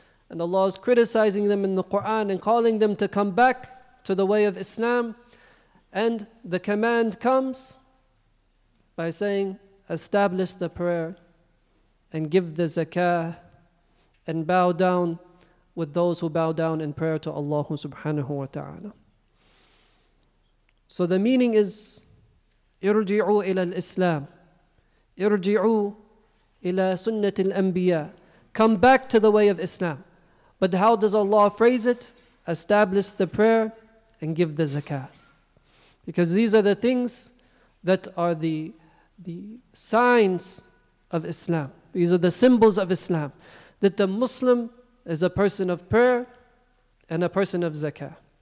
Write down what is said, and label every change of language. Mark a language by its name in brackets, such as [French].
[English] And Allah is criticizing them in the Quran and calling them to come back to the way of Islam. And the command comes by saying, establish the prayer and give the zakah and bow down with those who bow down in prayer to Allah subhanahu wa ta'ala. So the meaning is, [Arabic] ارجعوا إلى الإسلام ارجعوا إلى سنة الأنبياء. [English] Come back to the way of Islam. But how does Allah phrase it? Establish the prayer and give the zakah. Because these are the things that are the signs of Islam. These are the symbols of Islam. That the Muslim is a person of prayer and a person of zakah.